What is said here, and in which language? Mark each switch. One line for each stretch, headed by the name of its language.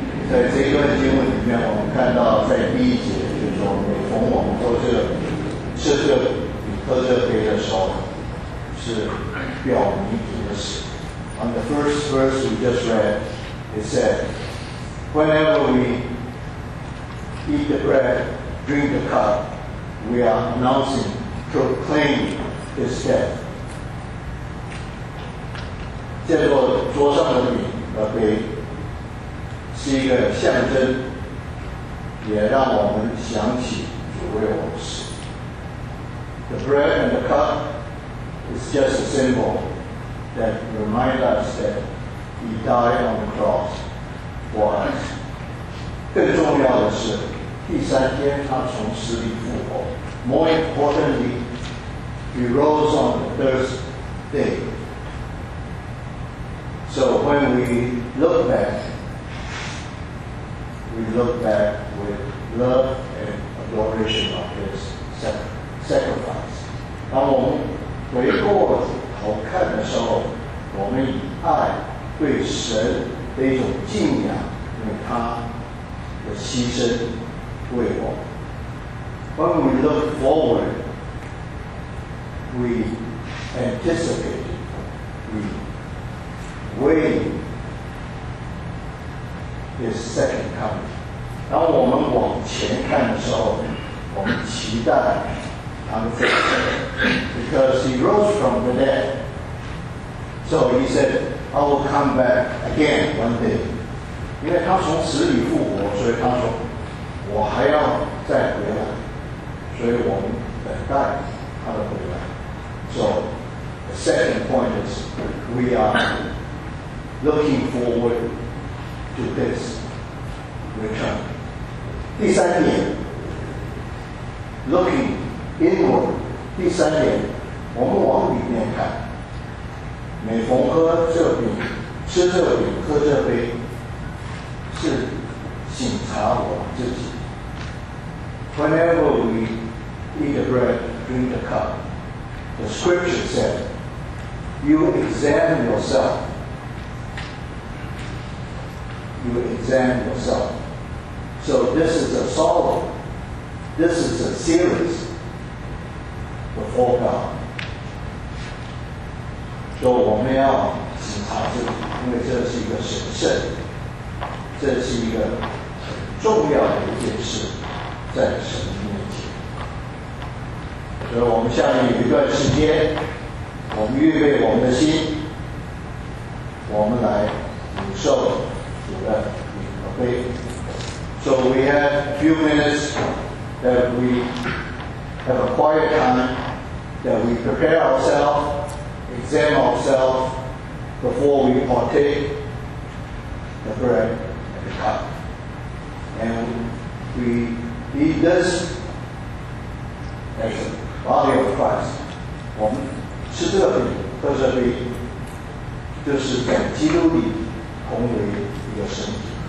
Chinese: 在这段经文里面，我们看到在第一节，就是说，每逢我们都是吃这个饼、喝这杯的时候，是表明主的死。
English: On the first verse we just read, it said, whenever we eat the bread, drink the cup, we are announcing, proclaiming his death.
Chinese: 借着桌上的饼和杯是一个象征，也让我们想起主为我们死。
English: The bread and the cup is just a symbol that remind us that he died on the cross for us.
Chinese: 更重要的是，第三天他从死里复活。
English: More importantly, he rose on the third day. So when we look back with love and adoration of his sacrifice.
Chinese: 当我们回过头看的时候，我们以爱对神的一种敬仰，因为他的牺牲为我。
English: When we look forward, we anticipate, we wait his second coming.
Chinese: 当我们往前看的时候，我们期待他的复活。
English: Because he rose from the dead, so he said, "I will come back again one day."
Chinese: 因为他从死里复活，所以他说，我还要再回来，所以我们等待他的回来。
English: So the second point is, we are looking forward to this return.
Chinese: 第三点
English: looking inward.
Chinese: 第三点我们往里面看。每逢喝这饼吃这饼喝这杯是醒察我自己。
English: Whenever we eat the bread, drink the cup, the scripture said, you examine yourself. You examine yourself. So this is a solemn, this is a serious before God. So we need to examine ourselves, because this is a serious, this is a very important thing.
Chinese: 在神的面前，所以我们下面有一段时间，我们预备我们的心，我们来领受主的饼和杯。
English: So we have a few minutes that we have a quiet time that we prepare ourselves, examine ourselves before we partake the bread and the cup, and we. He does as a body of Christ.
Chinese: 我们吃这个饼喝这杯就是在基督里同为一个身体。